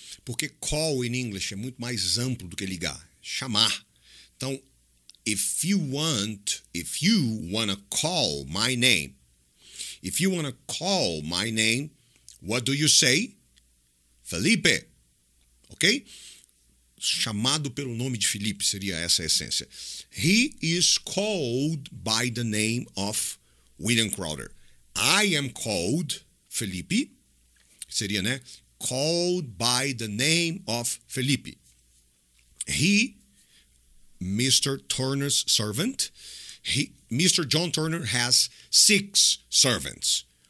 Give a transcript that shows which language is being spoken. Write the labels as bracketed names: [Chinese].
[Portuguese] Porque call [English] in English [Portuguese] é muito mais amplo do que ligar. Chamar. [English] Então, if you want to call my name, if you want to call my name, what do you say? Felipe. Ok? [Portuguese] Chamado pelo nome de Felipe seria essa a essência. [English] He is called by the name of William Crowder. I am called Felipe. [Portuguese] Seria, né? [English] Called by the name of Felipe. He, Mr. Turner's servant. Mr. John Turner has 6 servants.